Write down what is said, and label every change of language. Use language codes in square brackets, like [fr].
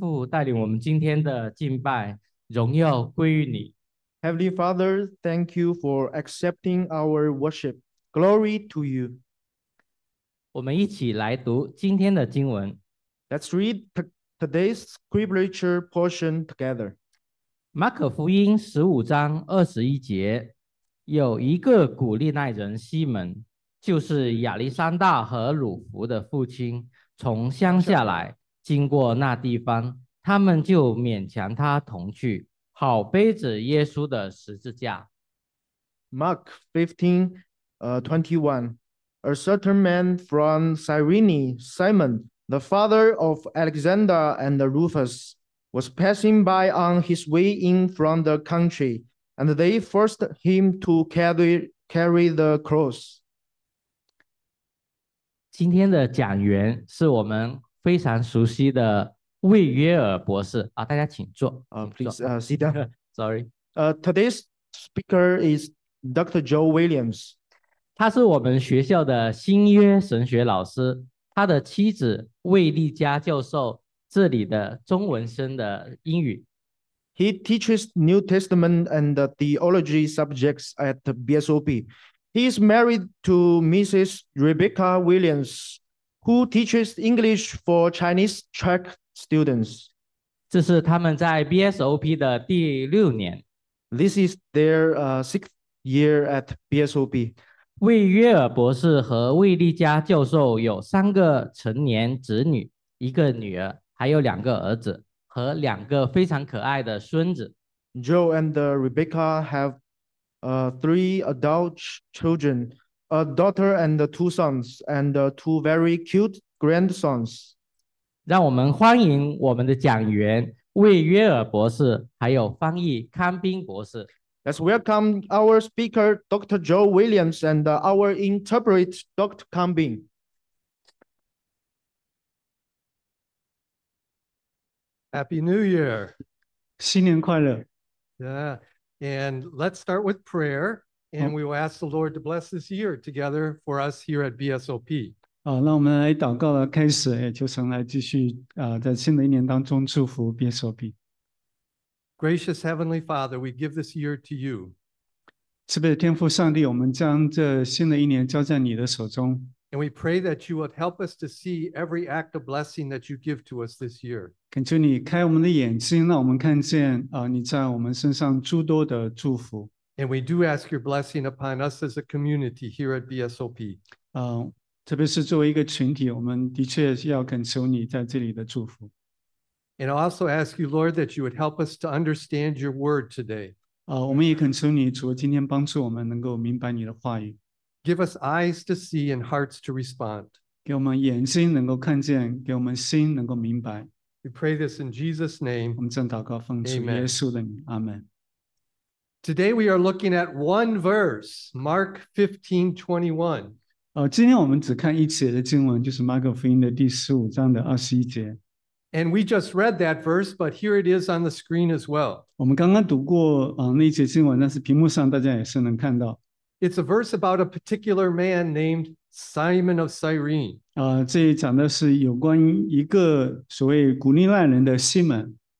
[zh] 带领我们今天的敬拜，荣耀归于你。 [en] Heavenly Father, thank you for accepting our worship. Glory to you. [zh] 我们一起来读今天的经文。 [en] Let's read today's scripture portion together. [zh] 马可福音十五章二十一节，有一个古利奈人西门，就是亚历山大和鲁弗的父亲，从乡下来，经过那地方。他们就勉强他同去，好背着耶稣的十字架。 [en] Mark 15:21 A certain man from Cyrene, Simon, the father of Alexander and Rufus, was passing by on his way in from the country, and they forced him to carry the cross. [zh] 今天的讲员是我们非常熟悉的魏约尔博士啊，大家请坐。 [en] Please sit down. Sorry. Today's speaker is Dr. Joe Williams. [zh] 他是我们学校的新约神学老师，他的妻子魏丽佳教授这里的中文生的英语。 [en] He teaches New Testament and theology subjects at BSOP. He is married to Mrs. Rebecca Williams, who teaches English for Chinese track. Students. [zh] 这是他们在 BSOP 的第六年。 [en] This is their sixth year at BSOP. [zh] 魏约尔博士和魏丽佳教授有三个成年子女，一个女儿，还有两个儿子和两个非常可爱的孙子。 [en] Joe and Rebecca have three adult children, a daughter and two sons, and two very cute grandsons. [zh] 让我们欢迎我们的讲员魏约尔博士，还有翻译康宾博士。 [en] Let's welcome our speaker, Dr. Joe Williams, and our interpreter, Dr. Kambing. Happy New Year! [zh] 新年快乐 [en] Yeah, and let's start with prayer, and we will ask the Lord to bless this year together for us here at BSOP. [zh] 那我们来祷告了，开始也求神来继续在新的一年当中祝福 BSOP。 [en] Gracious Heavenly Father, we give this year to you. [zh] 慈悲的天父上帝，我们将这新的一年交在你的手中。 [en] And we pray that you would help us to see every act of blessing that you give to us this year. [zh] 恳求你开我们的眼睛，让我们看见你在我们身上诸多的祝福。 [en] And we do ask your blessing upon us as a community here at BSOP. [zh] 特别是作为一个群体，我们的确要恳求你在这里的祝福。 [en] And I also ask you, Lord, that you would help us to understand your word today. [zh] 我们也恳求你，主，今天帮助我们能够明白你的话语。 [en] Give us eyes to see and hearts to respond. [zh] 给我们眼睛能够看见，给我们心能够明白。 [en] We pray this in Jesus' name. [zh] 我们正祷告，奉主耶稣的名，阿门。 [en] Today we are looking at one verse, Mark 15:21. [zh] 今天我们只看一节的经文，就是马可福音的第十五章的二十一节。 [en] And we just read that verse, but here it is on the screen as well. [zh] 我们刚刚读过那一节经文，但是屏幕上大家也是能看到。 [en] It's a verse about a particular man named Simon of Cyrene. [zh] 这里讲的是有关一个所谓古利奈人的西门。